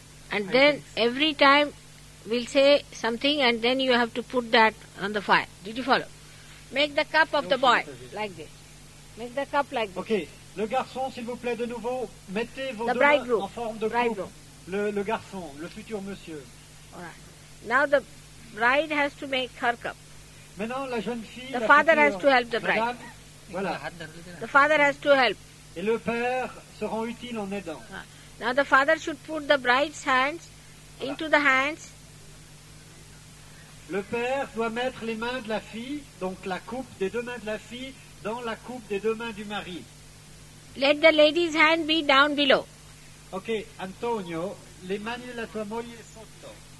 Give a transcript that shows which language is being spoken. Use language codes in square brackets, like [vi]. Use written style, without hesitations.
[en] And then every time we'll say something and then you have to put that on the fire. Did you follow? Make the cup of the boy, like this. Make the cup like this. Okay. [fr] Le garçon, s'il vous plaît, de nouveau, mettez vos deux en forme de [en] bridegroom. [fr] Coupe. Le garçon, le futur monsieur. [en] Alright. Now the bride has to make her cup. [fr] Maintenant, la jeune fille, [en] the father has to help the bride. [fr] Madame, voilà. [en] The father has to help. [fr] Et le père se rend utile en aidant. [en] Now the father should put the bride's hands voilà. Into the hands. [fr] Le père doit mettre les mains de la fille, donc la coupe des deux mains de la fille, dans la coupe des deux mains du mari. [en] Let the lady's hand be down below. [it] Okay, Antonio, les mani la tua moglie sotto.